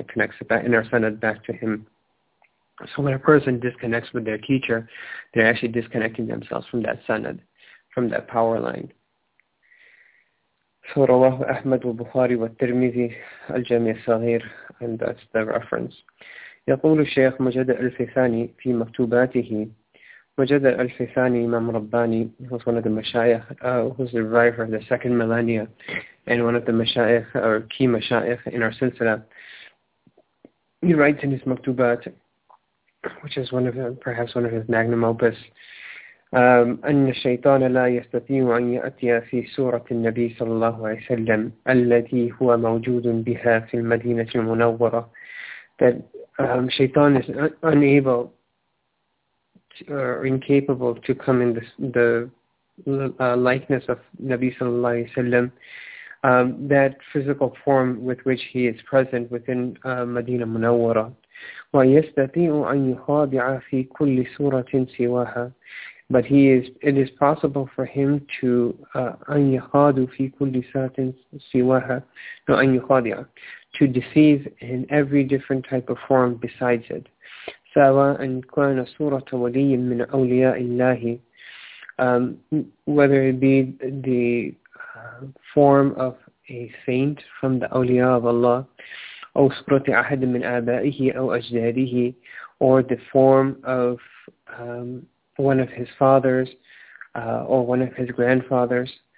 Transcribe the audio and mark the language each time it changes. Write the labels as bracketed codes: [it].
[en] It connects the inner sanad back to him. So when a person disconnects with their teacher, they're actually disconnecting themselves from that sanad, from that power line. So Rawahu Ahmad wa Bukhari wa Tirmizi al-Jami al-Saghir, and that's the reference. [ar] يقول الشيخ مجد الفيثاني في مكتوباته. [en] مجد الفيثاني Imam Rabbani, who's one of the mashayikh, who's the survivor of the second millennia, and one of the mashayikh, or key mashayikh in our silsila, he writes in his maktubat, which is perhaps one of his magnum opus, [ar] أن الشيطان لا يستطيع أن يأتي في سورة النبي صلى الله عليه وسلم الذي هو موجود بها في المدينة المنورة. [en] That shaitan is unable or incapable to come in the likeness of Nabi [ar] صلى الله عليه وسلم, [en] that physical form with which he is present within مدينة منورة. [ar] ويستطيع أن يخاضع في كل سورة سواها. [en] But it is possible for him to [ar] أن يخاض في كل سورة سواها, [en] no, [ar] أن يخاضع, [en] to deceive in every different type of form besides it. [ar] سواء أن كان سورة ولي من أولياء الله, [en] whether it be the form of a saint from the أولياء of Allah, [ar] أو سورة أحد من آبائه أو أجداده, [en] or the form of one of his fathers or one of his grandfathers.